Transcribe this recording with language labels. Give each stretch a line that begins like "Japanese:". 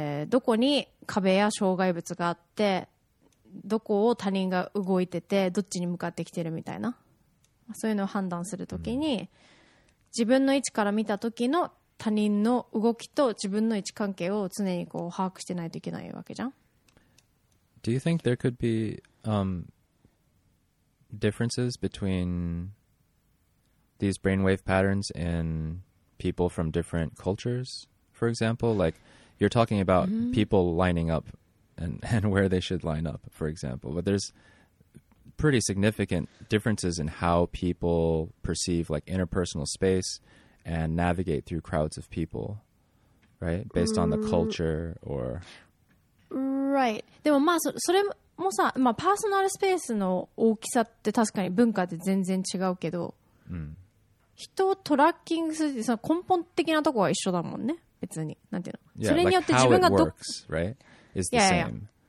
Japanese: どこに壁や障害物があって、どこを他人が動いてて、どっちに向かってきてるみたいな、そういうのを判断するときに、自分の位置から見たときの他人の動きと自分の位置関係を常にこう把握してないといけないわけじゃん。
English: Do you think there could be differences between these brainwave patterns in people from different cultures, for example? Like, you're talking about people lining up and where they should line up, for example. But there's pretty significant differences in how people perceive, like, interpersonal space and navigate through crowds of people, right? Based on the culture or... Right.
Japanese: でもまあ、それも、もさ、まあ、パーソナルスペースの大きさって確かに文化で全然違うけど、うん、人をトラッキングするってその根本的なとこは一緒だもんね。別に、なんていうの、
English: yeah,
Japanese: それによって自分がど、
English: like、how it works, right? is the same.